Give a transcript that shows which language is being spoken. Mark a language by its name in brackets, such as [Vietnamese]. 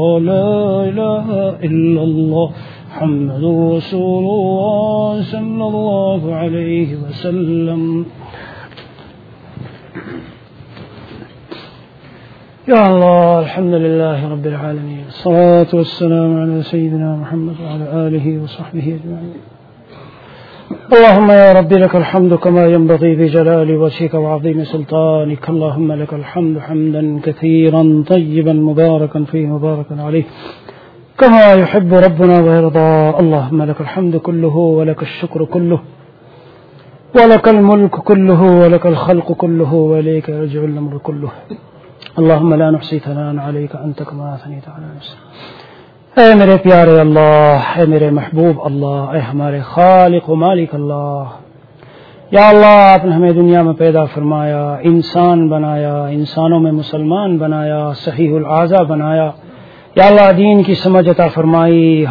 [Arabic] لا الہ الا اللہ محمد رسول اللہ صلی اللہ علیہ وسلم. يا الله الحمد لله رب العالمين الصلاة والسلام على سيدنا محمد وعلى آله وصحبه أجمعين. اللهم يا ربي لك الحمد كما ينبغي بجلال وجهك وعظيم سلطانك. اللهم لك الحمد حمدا كثيرا طيبا مباركا فيه مباركا عليه كما يحب ربنا ويرضى. اللهم لك الحمد كله ولك الشكر كله ولك الملك كله ولك الخلق كله وإليك يرجع الأمر كله. اللهم لا نحصي ثناء عليك انت كما اثنيت على نفسك. [Urdu] اے میرے پیارے اللہ, اے میرے محبوب اللہ, اے ہمارے خالق و مالک اللہ, یا اللہ آپ نے ہمیں دنیا میں پیدا فرمایا, انسان بنایا, انسانوں میں مسلمان بنایا, صحیح الاعضاء بنایا, یا اللہ دین کی سمجھ عطا فرمائی.